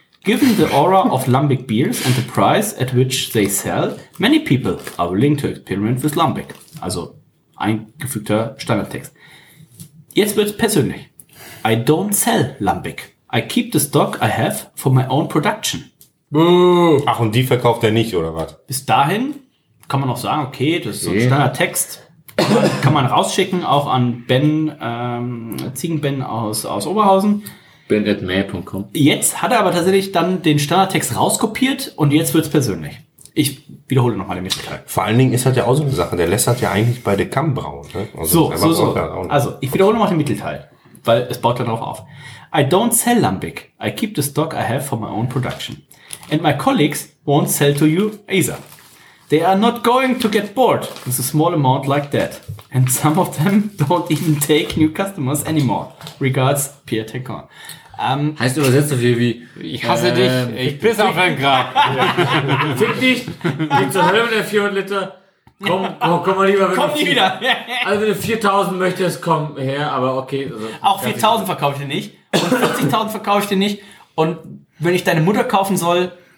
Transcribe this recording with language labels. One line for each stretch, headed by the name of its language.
English: Given the aura of Lambic beers and the price at which they sell, many people are willing to experiment with Lambic.
German: Also eingefügter Standardtext. Jetzt wird's persönlich.
English: I don't sell Lambic. I keep the stock I have for my own production.
German: Ach, und die verkauft er nicht, oder was? Bis dahin kann man noch sagen, okay, das ist so ein Standardtext. Kann man rausschicken, auch an Ben, Ziegenben aus Oberhausen. Ben@mail.com. Jetzt hat er aber tatsächlich dann den Standardtext rauskopiert und jetzt wird es persönlich. Ich wiederhole nochmal den Mittelteil. Vor allen Dingen ist das ja auch so eine Sache. Der lässt das ja eigentlich bei De Cam brauen. Ne? Also, also, ich wiederhole nochmal den Mittelteil, weil es baut darauf auf.
English: I don't sell Lambic. I keep the stock I have for my own production. And my colleagues won't sell to you either. They are not going to get bored with a small amount like that. And some of them don't even take new customers anymore. Regards, Pierre Tequin.
German: Heißt übersetzt so viel wie, ich hasse dich, ich pisse auf dein Grab. Fick dich, geh zur Hölle mit der 400 Liter. Komm mal lieber. Komm nie wieder. Also wenn du 4.000 möchtest, komm her, aber okay. Also, auch 4.000 verkaufe ich dir nicht. Und 40.000 verkaufe ich dir nicht. Und wenn ich deine Mutter kaufen soll,